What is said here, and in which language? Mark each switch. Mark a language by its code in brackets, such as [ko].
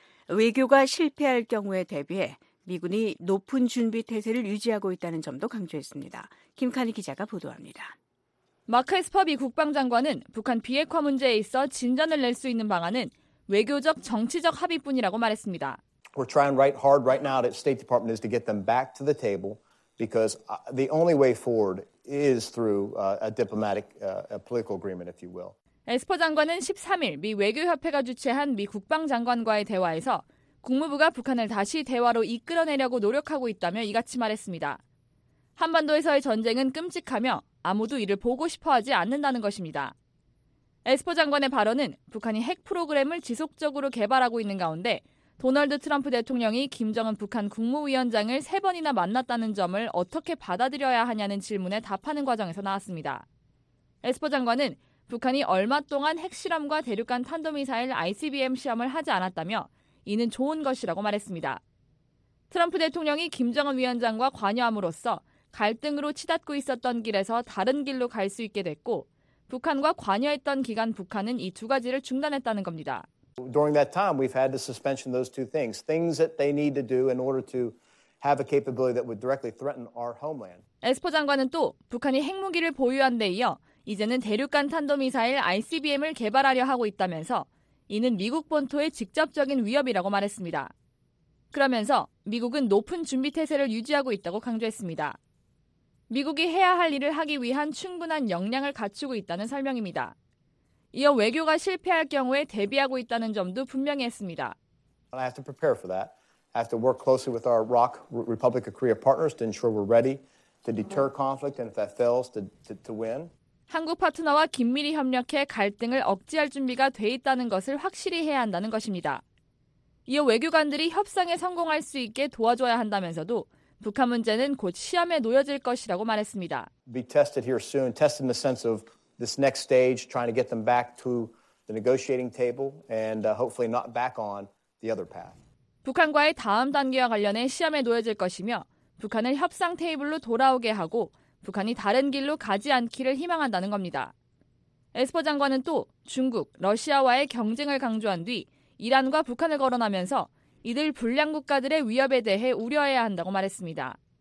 [ko] 외교가 실패할 경우에 대비해 미군이 높은 준비 태세를 유지하고 있다는 점도 강조했습니다. 김카니 기자가 보도합니다. 마크 에스퍼 미 국방장관은 북한 비핵화 문제에 있어 진전을 낼 수 있는 방안은 외교적, 정치적 합의뿐이라고 말했습니다. [en] We're trying right hard right now at State Department is to get them back to the table. Because the only way forward is through a diplomatic, a political agreement, if you will. [ko] 에스퍼 장관은 13일 미 외교협회가 주최한 미 국방장관과의 대화에서 국무부가 북한을 다시 대화로 이끌어내려고 노력하고 있다며 이같이 말했습니다. 한반도에서의 전쟁은 끔찍하며 아무도 이를 보고 싶어하지 않는다는 것입니다. 에스퍼 장관의 발언은 북한이 핵 프로그램을 지속적으로 개발하고 있는 가운데 도널드 트럼프 대통령이 김정은 북한 국무위원장을 세 번이나 만났다는 점을 어떻게 받아들여야 하냐는 질문에 답하는 과정에서 나왔습니다. 에스퍼 장관은 북한이 얼마 동안 핵실험과 대륙간 탄도미사일 ICBM 시험을 하지 않았다며 이는 좋은 것이라고 말했습니다. 트럼프 대통령이 김정은 위원장과 관여함으로써 갈등으로 치닫고 있었던 길에서 다른 길로 갈 수 있게 됐고 북한과 관여했던 기간 북한은 이 두 가지를 중단했다는 겁니다. [en] During that time, we've had to suspension those two things. Things that they need to do in order to have a capability that would directly threaten our homeland. [ko] 에스퍼 장관은 또 북한이 핵무기를 보유한 데 이어 이제는 대륙간 탄도미사일 ICBM을 개발하려 하고 있다면서 이는 미국 본토의 직접적인 위협이라고 말했습니다. 그러면서 미국은 높은 준비태세를 유지하고 있다고 강조했습니다. 미국이 해야 할 일을 하기 위한 충분한 역량을 갖추고 있다는 설명입니다. 이어 외교가 실패할 경우에 대비하고 있다는 점도 분명히 했습니다. [en] I have to prepare for that. I have to work closely with our ROC, Republic of Korea partners to ensure we're ready to deter conflict and if that fails, to win. [ko] 한국 파트너와 긴밀히 협력해 갈등을 억제할 준비가 돼 있다는 것을 확실히 해야 한다는 것입니다. 이어 외교관들이 협상에 성공할 수 있게 도와줘야 한다면서도 북한 문제는 곧 시험에 놓여질 것이라고 말했습니다. [en] Be tested here soon. Test in the sense of this next stage, trying to get them back to the negotiating table and hopefully not back on the other path. [ko] 북한과의 다음 단계와 관련해 시험에 놓여질 것이며 북한을 협상 테이블로 돌아오게 하고 북한이 다른 길로 가지 않기를 희망한다는 겁니다. 에스퍼 장관은 또 중국, 러시아와의 경쟁을 강조한 뒤 이란과 북한을 거론하면서 이들 불량 국가들의 위협에 대해 우려해야 한다고 말했습니다.